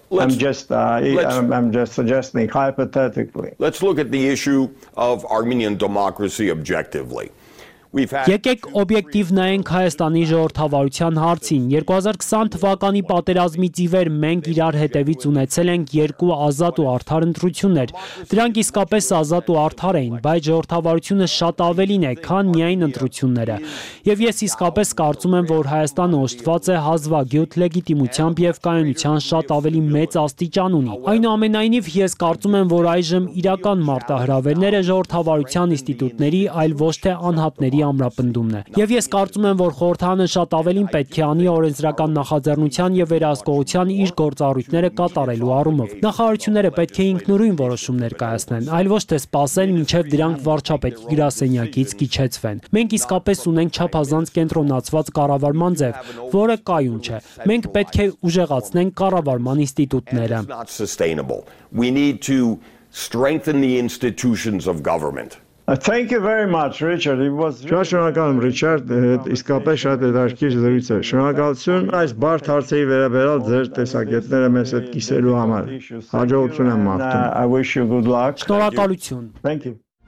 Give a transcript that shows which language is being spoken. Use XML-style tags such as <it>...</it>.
<en>I'm just suggesting hypothetically. Let's look at the issue of Armenian democracy objectively.</en> <hy>Եկեք օբյեկտիվ նայենք Հայաստանի ժողովրդավարության հարցին։ 2020 թվականի պատերազմից ի վեր մենք իրար հետևից ունեցել ենք երկու ազատ ու արդար ընտրություններ։ Դրանք իսկապես ազատ ու արդար էին, բայց ժողովրդավարությունը շատ ավելին է, քան միայն ընտրությունները։ Եվ ես իսկապես կարծում եմ, որ Հայաստանը օժտված է հազվագյուտ լեգիտիմությամբ և կայունության շատ ավելի մեծ աստիճան ունի։ Այնուամենայնիվ, ես կարծում եմ, որ այժմ իրական մարտահրավերները ժողովրդավարության ինստիտուտների, այլ ոչ թե անհատ ների ամրապնդումն է։ Եվ ես կարծում եմ, որ խորհրդանը շատ ավելին պետք է անի օրենսդրական նախաձեռնության եւ վերահսկողության իր գործառույթները կատարելու առումով։ Նախարարությունները պետք է ինքնուրույն որոշումներ կայացնեն, այլ ոչ թե սպասեն, մինչեւ դրանք վարչապետի գրասենյակից կիջեցվեն։ Մենք իսկապես ունենք չափազանց կենտրոնացված կառավարման ձև, որը կայուն չէ։ Մենք պետք է ուժեղացնենք կառավարման ինստիտուտները։</hy> <en>We need to strengthen the institutions of government. Thank you very much, Richard. It was really</en> <hy>Շնորհակալություն, Ռիչարդ, իսկապես շատ հետաքրքիր զրույց էր։ Շնորհակալություն այս բարդ հարցերի վերաբերյալ ձեր տեսակետները մեզ հետ կիսելու համար։ Հաջողություն եմ մաղթում։</hy> <en>I wish you good luck.</en> <hy>Շնորհակալություն։</hy> <en>Thank you.</en>